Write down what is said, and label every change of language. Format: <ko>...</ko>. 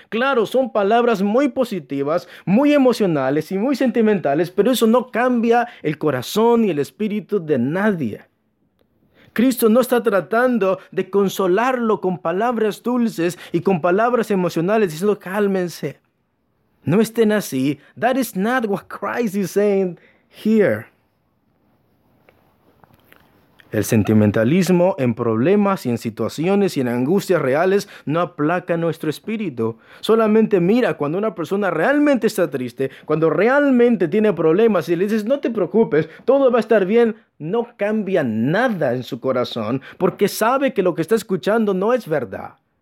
<es>Claro, son palabras muy positivas, muy emocionales y muy sentimentales, pero eso no cambia el corazón y el espíritu de nadie. Cristo no está tratando de consolarlo con palabras dulces y con palabras emocionales, diciendo cálmense. No estén así.</es> <en>That is not what Christ is saying here.</en> <es>El sentimentalismo en problemas y en situaciones y en angustias reales no aplaca nuestro espíritu. Solamente mira cuando una persona realmente está triste, cuando realmente tiene problemas y le dices, no te preocupes, todo va a estar bien. No cambia nada en su corazón porque sabe que lo que está escuchando no es verdad.</es>